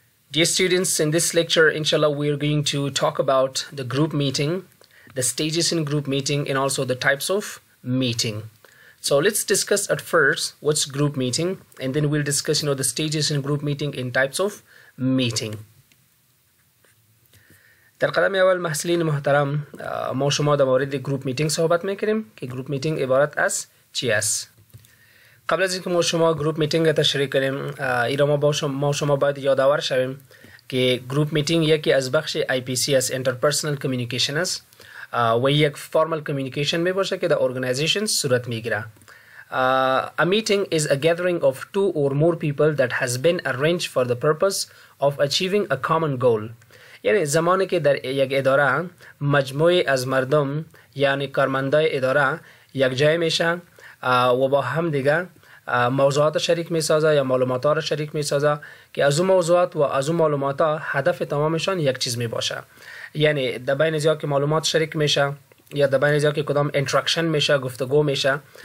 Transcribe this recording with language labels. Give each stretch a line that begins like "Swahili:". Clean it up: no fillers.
English: Dear students, in this lecture, inshallah, we are going to talk about the group meeting, the stages in group meeting, and also the types of meeting. So let's discuss at first what's group meeting, and then we'll discuss, you know, the stages in group meeting and types of meeting.
Persian: در قدم اول محصلین محترم ما شما در مورد گروپ میتینگ صحبت میکنیم که گروپ میتینگ عبارت از چی است. قبل از اینکه ما شما گروپ میتینگ را تشریح کنیم ایرا ما شما باید یادآور شویم که گروپ میتینگ یکی از بخش آی پی سی است، انترپرسنل کمیونیکیشن است و یک فرمال کمیونیکیشن میباشه که در ارگنایزیشن صورت میگیره.
English: A meeting is a gathering of two or more people that has been arranged for the purpose of achieving a common goal.
Persian: یعنی زمانی که در یک اداره مجموعی از مردم یعنی کارمندای اداره یک جای میشن و با هم دیگه موضوعات شریک میسازه یا معلومات را شریک میسازه که از اون موضوعات و از اون معلومات هدف تمامشان یک چیز میباشه، یعنی در بین زیاد که معلومات شریک میشه یا در بین زیاد که کدام انتراکشن میشه، گفتگو میشه،